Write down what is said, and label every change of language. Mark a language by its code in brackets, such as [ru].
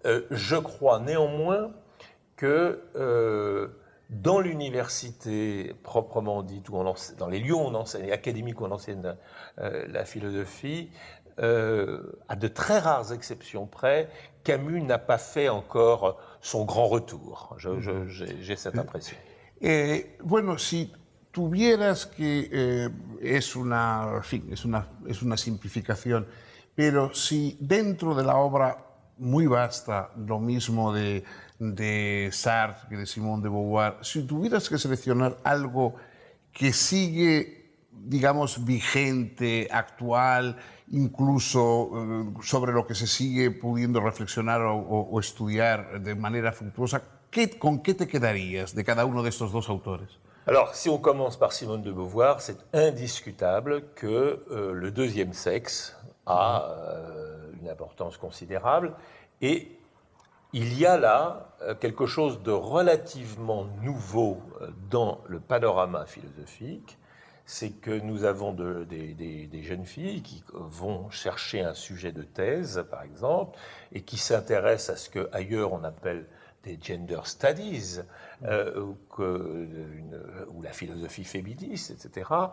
[fr] Je crois néanmoins que dans l'université proprement dite, ou dans les lieux où on enseigne, les académiques où on enseigne la philosophie, à de très rares exceptions près, Camus n'a pas fait encore son grand retour. J'ai cette impression. [es] Bueno, si tuvieras que es una simplificación, pero si dentro de la obra muy vasta, lo mismo de Sartre que de Simone de Beauvoir, si tuvieras que seleccionar algo que sigue, digamos, vigente, actual, incluso sobre lo que se sigue pudiendo reflexionar o estudiar de manera fructuosa, ¿con qué te quedarías de cada uno de estos dos autores? [fr] Alors, si on commence par Simone de Beauvoir, c'est indiscutable que le deuxième sexe a une importance considérable et il y a là quelque chose de relativement nouveau dans le panorama philosophique, c'est que nous avons des jeunes filles qui vont chercher un sujet de thèse, par exemple, et qui s'intéressent à ce que ailleurs on appelle des gender studies, ou la philosophie féministe, etc.